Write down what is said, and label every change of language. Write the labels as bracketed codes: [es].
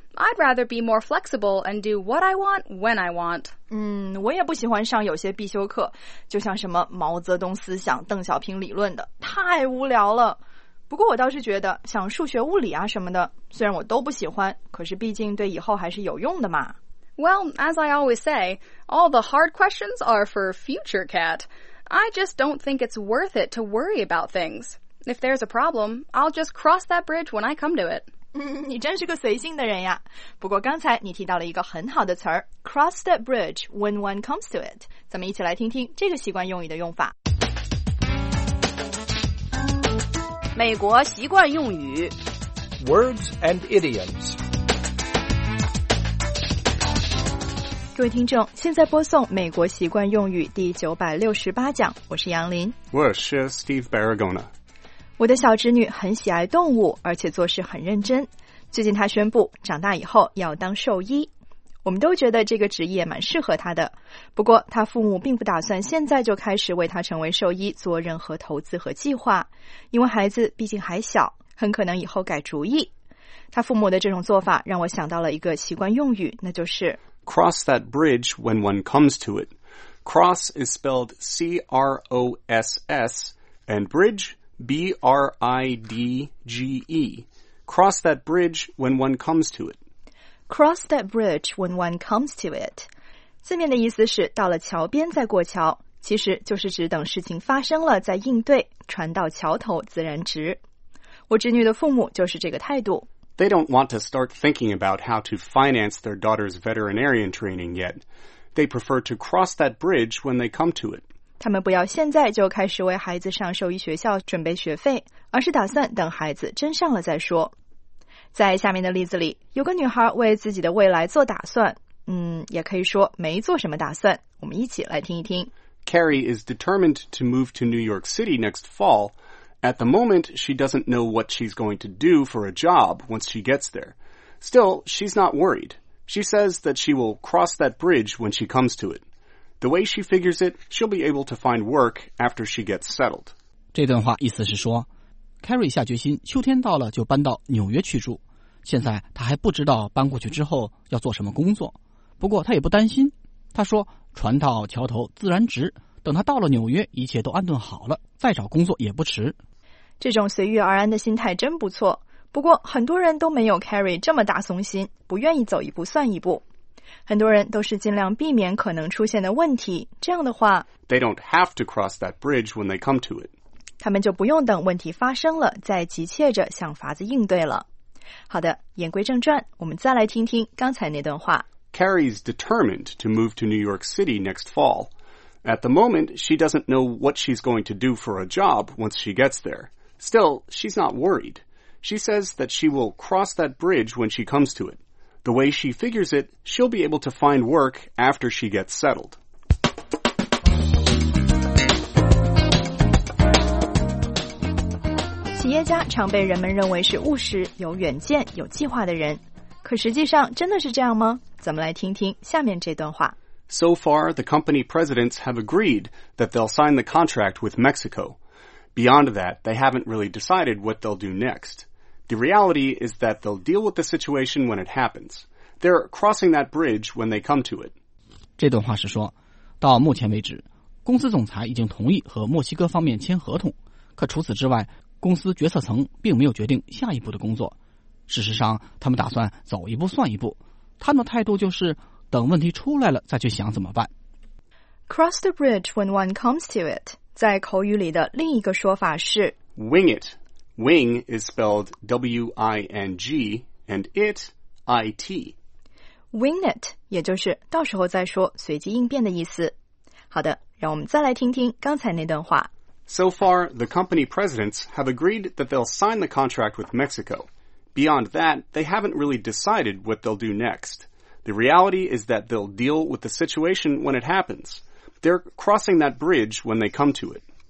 [en] I'd rather be more flexible and do what I want when I want. [zh] 我也不喜欢上有些必修课，就像什么毛泽东思想、邓小平理论的，太无聊了。不过我倒是觉得像数学、物理啊什么的，虽然我都不喜欢，可是毕竟对以后还是有用的嘛。 [en] Well, as I always say, all the hard questions are for future Cat. I just don't think it's worth it to worry about things. If there's a problem, I'll just cross that bridge when I come to it. [zh] 你真是个随性的人呀。不过刚才你提到了一个很好的词儿 [en] cross that bridge when one comes to it. [zh] 咱们一起来听听这个习惯用语的用法。美国习惯用语 [en] Words and idioms. [zh] 各位听众，现在播送美国习惯用语第968讲，我是杨林。我是 Steve Barragona。我的小侄女很喜爱动物，而且做事很认真。最近她宣布长大以后要当兽医，我们都觉得这个职业蛮适合她的。不过她父母并不打算现在就开始为她成为兽医做任何投资和计划，因为孩子毕竟还小，很可能以后改主意。她父母的这种做法让我想到了一个习惯用语，那就是 [en] Cross that bridge when one comes to it. Cross is spelled C-R-O-S-S and bridge B-R-I-D-G-E. Cross that bridge when one comes to it. Cross that bridge when one comes to it. [zh] 字面的意思是到了桥边再过桥，其实就是指等事情发生了再应对，船到桥头自然直。我侄女的父母就是这个态度。 [en] They don't want to start thinking about how to finance their daughter's veterinarian training yet. They prefer to cross that bridge when they come to it. [zh] 他们不要现在就开始为孩子上兽医学校准备学费，而是打算等孩子真上了再说。在下面的例子里，有个女孩为自己的未来做打算，也可以说没做什么打算。我们一起来听一听。 [en] Carrie is determined to move to New York City next fall. At the moment, she doesn't know what she's going to do for a job once she gets there. Still, she's not worried. She says that she will cross that bridge when she comes to it. The way she figures it, she'll be able to find work after she gets settled. [zh] 这段话意思是说 ,Carrie 下决心秋天到了就搬到纽约去住。现在她还不知道搬过去之后要做什么工作。不过她也不担心。她说船到桥头自然直。等他到了纽约，一切都安顿好了，再找工作也不迟。这种随遇而安的心态真不错。不过很多人都没有 Carrie 这么大松心，不愿意走一步算一步。很多人都是尽量避免可能出现的问题，这样的话 [en] They don't have to cross that bridge when they come to it. [zh] 他们就不用等问题发生了再急切着想法子应对了。好的，言归正传，我们再来听听刚才那段话。 [en] Carrie's determined to move to New York City next fall. At the moment, she doesn't know what she's going to do for a job once she gets there. Still, she's not worried. She says that she will cross that bridge when she comes to it. The way she figures it, she'll be able to find work after she gets settled. [zh] 企业家常被人们认为是务实、有远见、有计划的人，可实际上真的是这样吗？咱们来听听下面这段话。 [en] So far, the company presidents have agreed that they'll sign the contract with Mexico. Beyond that, they haven't really decided what they'll do next. The reality is that they'll deal with the situation when it happens. They're crossing that bridge when they come to it. [zh] 这段话是说，到目前为止，公司总裁已经同意和墨西哥方面签合同，可除此之外，公司决策层并没有决定下一步的工作。事实上，他们打算走一步算一步。他们的态度就是等问题出来了再去想怎么办。 [en] Cross the bridge when one comes to it， [zh] 在口语里的另一个说法是 [en] wing it。 Wing is spelled W-I-N-G and it I-T。 [zh] Wing it， 也就是到时候再说，随机应变的意思。好的，让我们再来听听刚才那段话。 [en] So far, the company presidents have agreed that they'll sign the contract with Mexico. Beyond that, they haven't really decided what they'll do next. The reality is that they'll deal with the situation when it happens. They're crossing that bridge when they come to it.